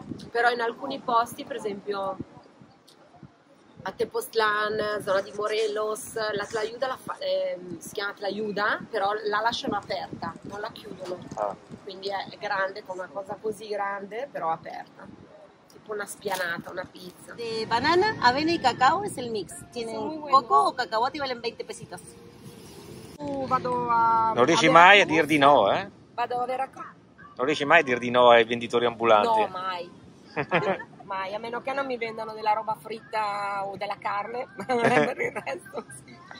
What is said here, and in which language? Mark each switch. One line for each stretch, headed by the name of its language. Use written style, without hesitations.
Italian: Però in alcuni posti, per esempio a Tepoztlán, zona di Morelos, la tlayuda si chiama tlayuda, però la lasciano aperta, non la chiudono. Ah. Quindi è grande, con una cosa così grande, però aperta. Una spianata, una pizza.
Spanish: De banana, avena y cacao es el mix. Tiene coco o cacahuate y valen 20 pesitos.
Italian: Vado a... Non riesci mai a dir di no, eh? Vado a Veracruz. Non riesci mai a dir di no ai venditori ambulanti. No, mai. mai, a meno che non mi vendano della roba fritta o della carne, ma per il resto sì.